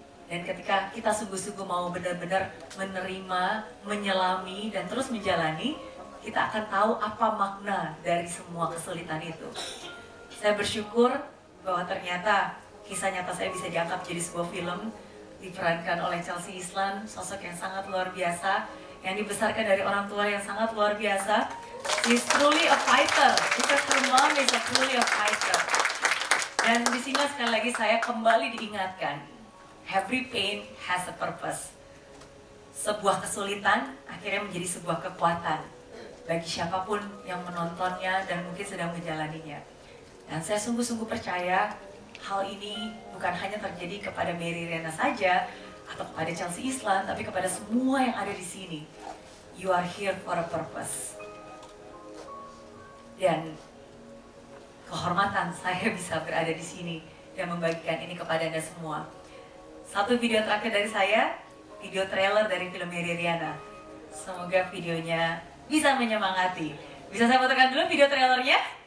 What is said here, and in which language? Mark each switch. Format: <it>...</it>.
<id>Dan ketika kita sungguh-sungguh mau benar-benar menerima, menyelami, dan terus menjalani, kita akan tahu apa makna dari semua kesulitan itu. Saya bersyukur bahwa ternyata kisah nyata saya bisa diangkat jadi sebuah film, diperankan oleh Chelsea Islan, sosok yang sangat luar biasa, yang dibesarkan dari orang tua yang sangat luar biasa.</id> <en>She's truly a fighter. She's true mom is a truly a fighter.</en> <id>Dan di sini sekali lagi saya kembali diingatkan,</id> <en>every pain has a purpose.</en> <id>Sebuah kesulitan akhirnya menjadi sebuah kekuatan bagi siapapun yang menontonnya dan mungkin sedang menjalaninya. Dan saya sungguh-sungguh percaya hal ini bukan hanya terjadi kepada Mary Rena saja atau kepada Chelsea Islan, tapi kepada semua yang ada di sini.</id> <en>You are here for a purpose.</en> <id>Dan kehormatan saya bisa berada di sini dan membagikan ini kepada Anda semua. Satu video terakhir dari saya, video trailer dari film Mary Riana. Semoga videonya bisa menyemangati. Bisa saya putarkan dulu video trailernya?</id>